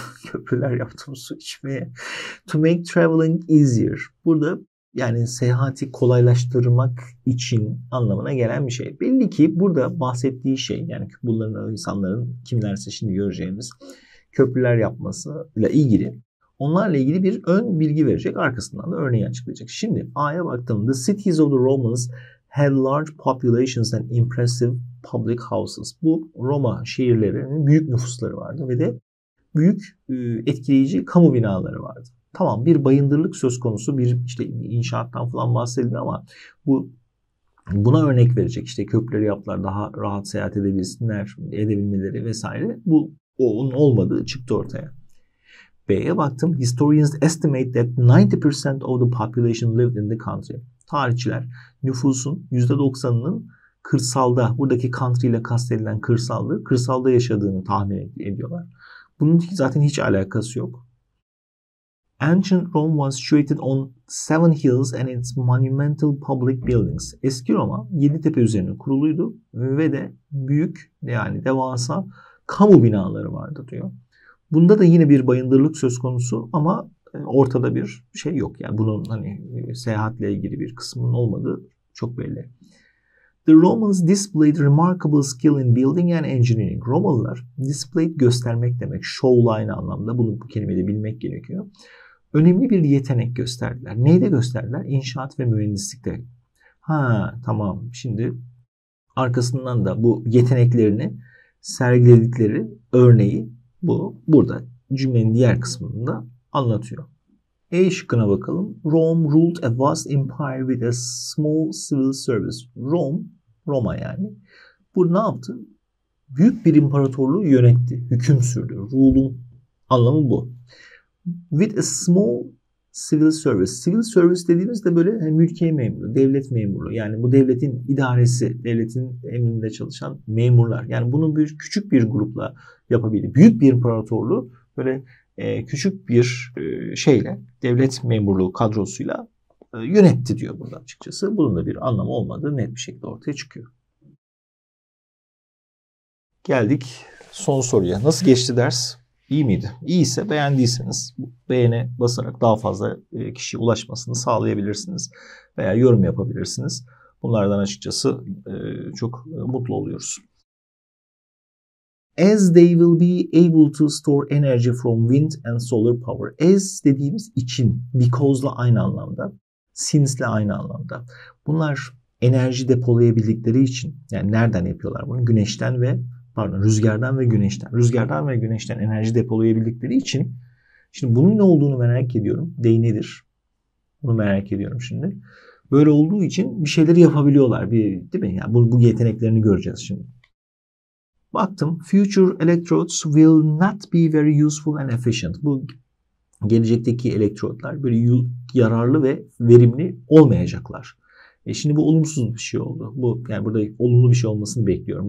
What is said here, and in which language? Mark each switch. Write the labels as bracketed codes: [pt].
[tr] Köprüler yaptım su içmeye. [en] To make traveling easier. [tr] Burada Yani seyahati kolaylaştırmak için anlamına gelen bir şey. Belli ki burada bahsettiği şey, yani bunların insanların kimlerse şimdi göreceğimiz köprüler yapmasıyla ilgili. Onlarla ilgili bir ön bilgi verecek, arkasından da örneği açıklayacak. Şimdi A'ya baktığımda [en] The cities of the Romans had large populations and impressive public houses. [tr] Bu Roma şehirlerinin büyük nüfusları vardı ve de büyük etkileyici kamu binaları vardı. Tamam, bir bayındırlık söz konusu, bir işte inşaattan falan bahsedildi ama buna örnek verecek, işte köprüleri yaptılar daha rahat seyahat edebilsinler, edebilmeleri vesaire, bu onun olmadığı çıktı ortaya. B'ye baktım. [en] Historians estimate that 90% of the population lived in the country. [tr] Tarihçiler nüfusun %90'ının kırsalda, buradaki country ile kastedilen kırsallığı, kırsalda yaşadığını tahmin ediyorlar. Bunun zaten hiç alakası yok. [en] Ancient Rome was situated on seven hills and its monumental public buildings. [tr] Eski Roma 7 tepe üzerine kuruluydu ve de büyük, yani devasa kamu binaları vardı diyor. Bunda da yine bir bayındırlık söz konusu ama ortada bir şey yok. Yani bunun hani seyahatle ilgili bir kısmının olmadığı çok belli. [en] The Romans displayed remarkable skill in building and engineering. [tr] Romalılar displayed göstermek demek. Show line anlamında bunu, bu kelimeyi de bilmek gerekiyor. Önemli bir yetenek gösterdiler. Neyde gösterdiler? İnşaat ve mühendislikte. Ha tamam, şimdi arkasından da bu yeteneklerini sergiledikleri örneği bu burada cümlenin diğer kısmında anlatıyor. A şıkkına bakalım. [en] Rome ruled a vast empire with a small civil service. [tr] Roma yani. Bu ne yaptı? Büyük bir imparatorluğu yönetti. Hüküm sürdü. Rule'un anlamı bu. [en] With a small civil service. [tr] Civil service dediğimizde böyle mülkiye memuru, devlet memuru. Yani bu devletin idaresi, devletin emrinde çalışan memurlar. Yani bunu bir küçük bir grupla yapabildi. Büyük bir imparatorluğu böyle küçük bir şeyle, devlet memurluğu kadrosuyla yönetti diyor burada açıkçası. Bunun da bir anlamı olmadığı net bir şekilde ortaya çıkıyor. Geldik son soruya. Nasıl geçti ders? İyi miydi? İyiyse beğendiyseniz beğene basarak daha fazla kişiye ulaşmasını sağlayabilirsiniz veya yorum yapabilirsiniz. Bunlardan açıkçası çok mutlu oluyoruz. [en] As they will be able to store energy from wind and solar power. [tr] As dediğimiz için, because'la aynı anlamda, since'le aynı anlamda. Bunlar enerji depolayabildikleri için, yani nereden yapıyorlar bunu? Güneşten ve pardon, rüzgardan ve güneşten. Rüzgardan ve güneşten enerji depolayabildikleri için, şimdi bunun ne olduğunu merak ediyorum. Dey nedir? Bunu merak ediyorum şimdi. Böyle olduğu için bir şeyleri yapabiliyorlar. Değil mi? Yani bu yeteneklerini göreceğiz şimdi. Baktım. [en] Future electrodes will not be very useful and efficient. [tr] Bu gelecekteki elektrotlar böyle yararlı ve verimli olmayacaklar. Şimdi bu olumsuz bir şey oldu. Bu, yani burada olumlu bir şey olmasını bekliyorum.